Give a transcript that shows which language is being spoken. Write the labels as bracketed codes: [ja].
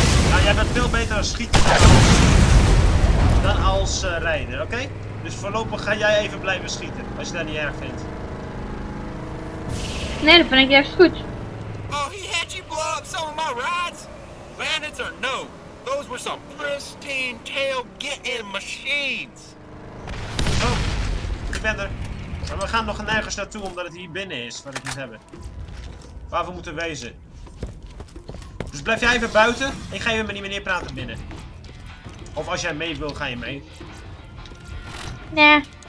[nl] Nou, jij bent veel beter als schieten dan als rijder, oké? Okay? Dus voorlopig ga jij even blijven schieten, als je dat niet erg vindt. Nee, dat vind ik juist goed. [en] Oh, he had you blow up some of my rides? Bandits or no, those were some pristine tail-getting machines. [nl] Oh, ik ben er. Maar we gaan nog nergens naartoe omdat het hier binnen is, wat ik moet hebben. Waar we moeten wezen. Dus blijf jij even buiten, ik ga even met die meneer praten binnen. Of als jij mee wil, ga je mee. Nee.